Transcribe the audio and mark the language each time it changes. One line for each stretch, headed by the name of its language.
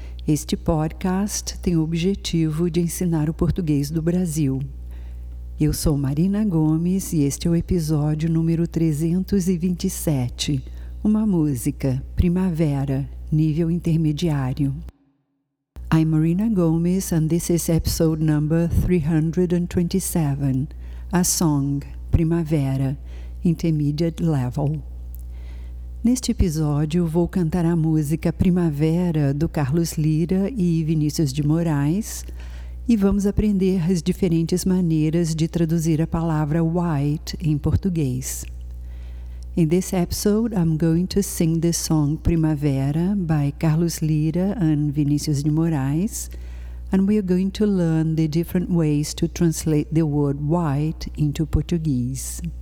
Portuguese: Este podcast tem o objetivo de ensinar o português do Brasil. Eu sou Marina Gomes e este é o episódio número 327. Uma música, Primavera, nível intermediário.
English: I'm Marina Gomes and this is episode number 327. A song, Primavera, intermediate level.
Portuguese: Neste episódio, vou cantar a música Primavera, do Carlos Lyra e Vinícius de Moraes, e vamos aprender as diferentes maneiras de traduzir a palavra white em português.
English: In this episode, I'm going to sing the song Primavera, by Carlos Lyra and Vinícius de Moraes, and we are going to learn the different ways to translate the word white into Portuguese.